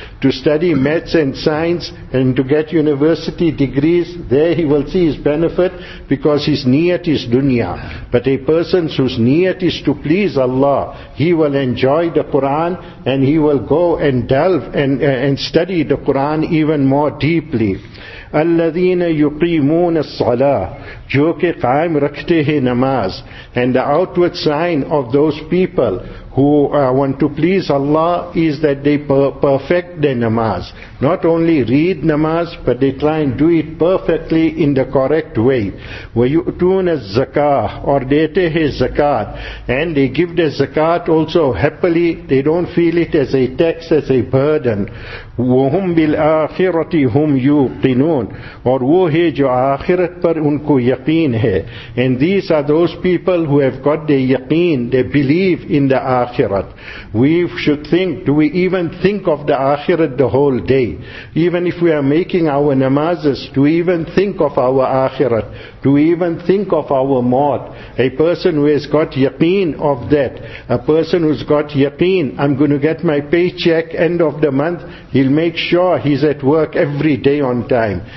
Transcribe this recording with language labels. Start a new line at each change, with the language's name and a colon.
English: To study maths and science and to get university degrees, there he will see his benefit because his niyat is dunya. But a person whose niyat is to please Allah, he will enjoy the Quran and he will go and delve and study the Quran even more deeply.
Arabic: الَّذِينَ يُقِيمُونَ الصَّلَاةِ
Urdu: جو کے قائم رکھتے ہیں نماز.
English: And the outward sign of those people who want to please Allah is that they perfect their namaz. Not only read namaz, but they try and do it perfectly in the correct way.
Arabic: وَيُؤْتُونَ الزَّكَاةِ
Urdu: or دیتے ہیں زکات.
English: And they give the zakat also happily. They don't feel it as a tax, as a burden.
Arabic: وَهُمْ بِالْآخِرَةِ هُمْ يُوقِنُونَ
Urdu: اور وہ ہے جو آخرت پر ان کو یقین ہے.
English: And these are those people who have got their yaqeen, they believe in the akhirat. We should think, do we even think of the akhirat the whole day? Even if we are making our namazes, do we even think of our akhirat? to even think of our maut. A person who has got yaqeen of that, a person who's got yaqeen, I'm going to get my paycheck end of the month, he'll make sure he's at work every day on time.